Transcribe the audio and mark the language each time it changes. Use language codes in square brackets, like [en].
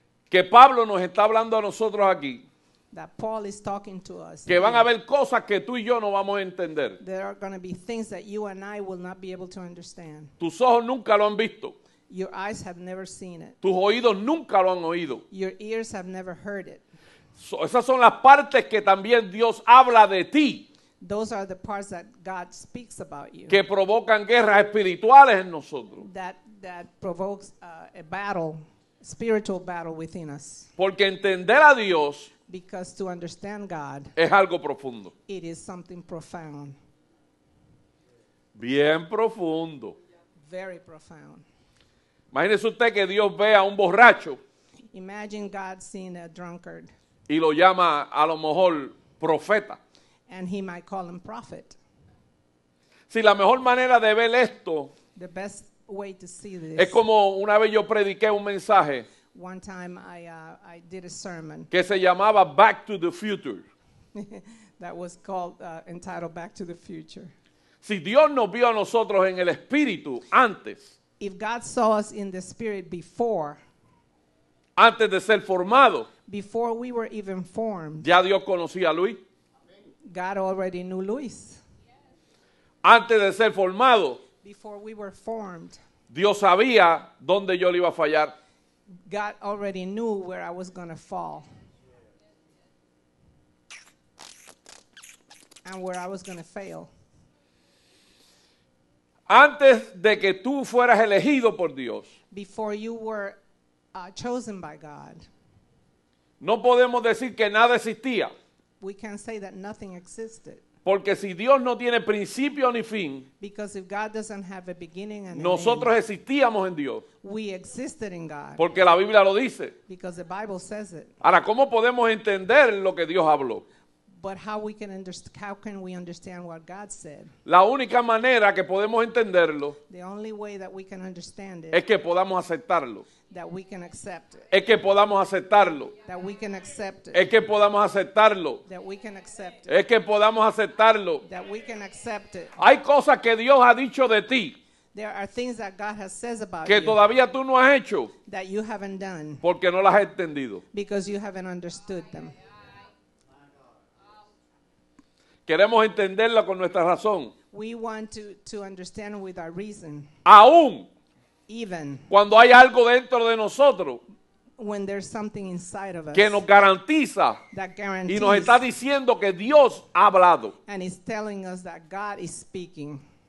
[es] Que Pablo nos está hablando a nosotros aquí. [en] That Paul is talking to us. [es] Que van a haber cosas que tú y yo no vamos a entender. [en] There are going to be things that you and I will not be able to understand. [es] Tus ojos nunca lo han visto. [en] Your eyes have never seen it. [es] Tus oídos nunca lo han oído. [en] Your ears have never heard it. [es] So, esas son las partes que también Dios habla de ti. [en] Those are the parts that God speaks about you. [es] Que provocan guerras espirituales en nosotros. [en] That provokes a battle, spiritual battle within us. [es] Porque entender a Dios. [en] Because to understand God. [es] Es algo profundo. [en] It is something profound. [es] Bien profundo. [en] Very profound. [es] Imagínese usted que Dios ve a un borracho. [en] Imagine God seeing a drunkard. [es] Y lo llama a lo mejor profeta. [en] And he might call him prophet. [es] Si la mejor manera de ver esto. [en] The best way to see this. [es] Es como una vez yo prediqué un mensaje. [en] One time I did a sermon. [es] Que se llamaba Back to the Future. [en] That was called, entitled Back to the Future. [es] Si Dios nos vio a nosotros en el espíritu antes. [en] If God saw us in the spirit before. [es] Antes de ser formado. [en] Before we were even formed. [es] Ya Dios conocía a Luis. [en] God already knew Luis. [es] Antes de ser formado. [en] Before we were formed. [es] Dios sabía dónde yo le iba a fallar. [en] God already knew where I was going to fall. And where I was going to fail. [es] Antes de que tú fueras elegido por Dios. [en] Before you were chosen by God. [es] No podemos decir que nada existía. [en] We can't say that nothing existed. [es] Porque si Dios no tiene principio ni fin. [en] Because if God doesn't have a beginning and [es] nosotros [en] an [es] end, existíamos en Dios. [en] We existed in God. [es] Porque la Biblia lo dice. [en] Because the Bible says it. [es] Ahora, ¿cómo podemos entender lo que Dios habló? [en] But how can we understand what God said? [es] La única manera que podemos entenderlo. [en] The only way that we can understand it. [es] Es que podamos aceptarlo. [en] That we can accept it. [es] Es que podamos aceptarlo. [en] That we can accept it. [es] Es que podamos aceptarlo. [en] That we can accept it. [es] Es que podamos aceptarlo. [en] That we can accept it. [es] Hay cosas que Dios ha dicho de ti. [en] There are things that God has said about you. [es] Que todavía tú no has hecho. [en] That you haven't done. [es] Porque no las has entendido. [en] Because you haven't understood them. [es] Queremos entenderla con nuestra razón. [en] We want to understand with our reason. [es] Aún. [en] Even. [es] Cuando hay algo dentro de nosotros. [en] When there's something inside of us. [es] Que nos garantiza. [en] That guarantees. [es] Y nos está diciendo que Dios ha hablado. [en] And is telling us that God is speaking.